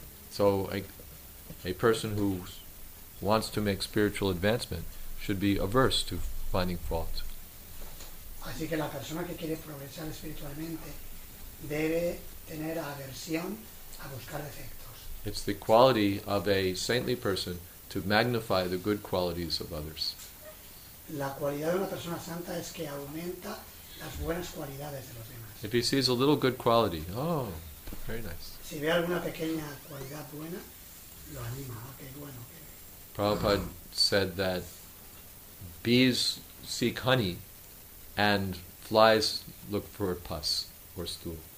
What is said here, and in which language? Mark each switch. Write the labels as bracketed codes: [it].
[en] So a person who wants to make spiritual advancement should be averse to finding fault. [es] Así que la persona que quiere progresar espiritualmente debe tener aversión a buscar defectos. [en] It's the quality of a saintly person to magnify the good qualities of others. [es] La cualidad de una persona santa es que aumenta las buenas cualidades de los demás. [en] If he sees a little good quality, oh, very nice. [es] Si ve alguna pequeña cualidad buena, lo anima. Okay, bueno. [en] Prabhupada said that bees seek honey and flies look for pus or stool.